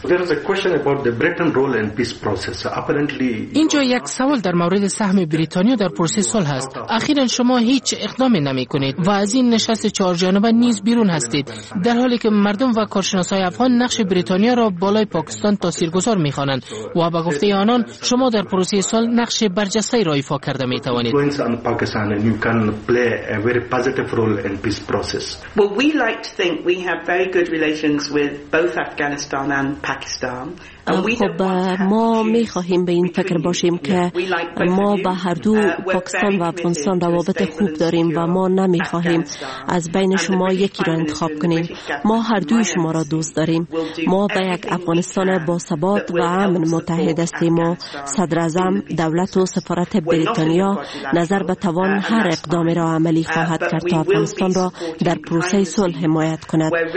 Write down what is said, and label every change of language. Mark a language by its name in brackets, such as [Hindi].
[English] There is a question about the Britain's role in peace process. Apparently, [Persian] اینجا یک سوال در مورد سهم بریتانیا در پروسه صلح است. اخیراً شما هیچ اقدامی نمی‌کنید و از این نشست چهار جانبه نیز بیرون هستید، در حالی که مردم و کارشناسان افغان نقش بریتانیا را بالای پاکستان تاثیرگذار می‌خوانند و به گفته آنان شما در پروسه صلح نقش برجسته‌ای را ایفا کرده می‌توانید. [English] Going on Pakistan and you can play a very positive role in peace process. Well, we like to think we have very good relations with both Afghanistan and Pakistan. [Persian] خب ما می خواهیم به این فکر باشیم که ما به هر دو پاکستان و افغانستان روابط خوب داریم و ما نمی خواهیم از بین شما یکی را انتخاب کنیم. ما هر دوی شما را دوست داریم. ما به یک افغانستان با ثبات و امن متحد هستیم و صدر اعظم، دولت و سفارت بریتانیا نظر به توان هر اقدامی را عملی خواهد کرد تا افغانستان را در پروسه صلح حمایت کند.